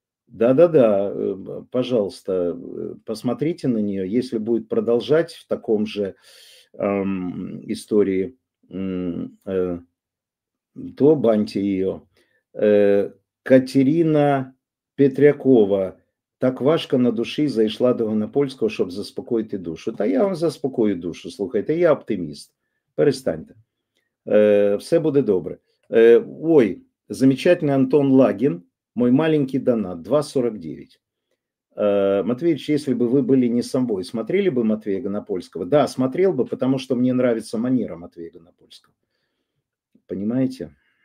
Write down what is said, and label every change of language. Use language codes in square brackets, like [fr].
[ru] Да-да-да, пожалуйста, посмотрите на нее. Если будет продолжать в таком же истории, то баньте ее. Катерина Петрякова. [uk] Так важко на душі зайшла до Гонопольського, щоб заспокоїти душу. Та я вам заспокою душу, слухайте, я оптиміст. Перестаньте. Все буде добре. [ru] Ой, замечательный Антон Лагин, мой маленький донат, 2,49. Матвеевич, если бы вы были не собой, смотрели бы Матвея Гонопольского? Да, смотрел бы, потому что мне нравится манера Матвея Гонопольского. Понимаете?